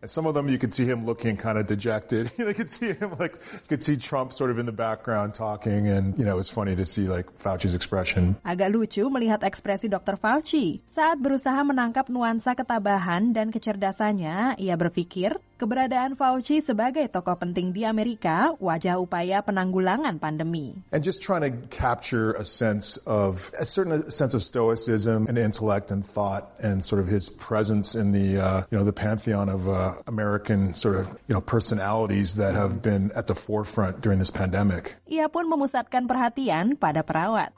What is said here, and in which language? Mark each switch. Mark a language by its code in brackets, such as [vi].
[en] Some of them you could see him looking kind of dejected. You know, you could see him like, you could see Trump sort of in the background talking, and you know, it was funny to see like Fauci's expression. [id] Agak lucu melihat ekspresi Dr. Fauci saat berusaha menangkap nuansa ketabahan dan kecerdasannya. Ia berpikir keberadaan Fauci sebagai tokoh penting di Amerika, wajah upaya penanggulangan pandemi. [en] And just trying to capture a sense of a certain sense of stoicism and intellect and thought and sort of his presence in the you know the pantheon of American sort of you know personalities that have been at the forefront during this pandemic. [id] Ia pun memusatkan perhatian pada perawat.